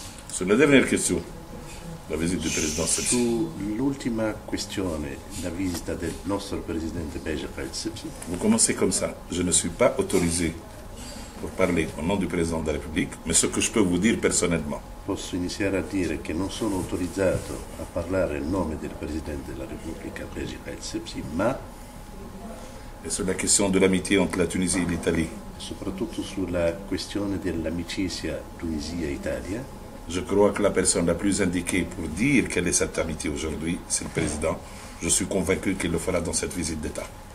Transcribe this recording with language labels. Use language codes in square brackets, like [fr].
[fr] Sur la dernière question, la visite du président Sepsi. [it] Su l'ultima questione, la visita del nostro presidente Beja Khalil Sepsi. [fr] Vous commencez comme ça. Je ne suis pas autorisé pour parler au nom du président de la République, mais ce que je peux vous dire personnellement. [it] Posso iniziare a dire che non sono autorizzato a parlare a nome del presidente della Repubblica Beja Khalil Sepsi, ma [fr] et sur la question de l'amitié entre la Tunisie et l'Italie. [it] Soprattutto sulla questione dell'amicizia Tunisia-Italia. [fr] Je crois que la personne la plus indiquée pour dire quelle est cette amitié aujourd'hui, c'est le président. Je suis convaincu qu'il le fera dans cette visite d'État.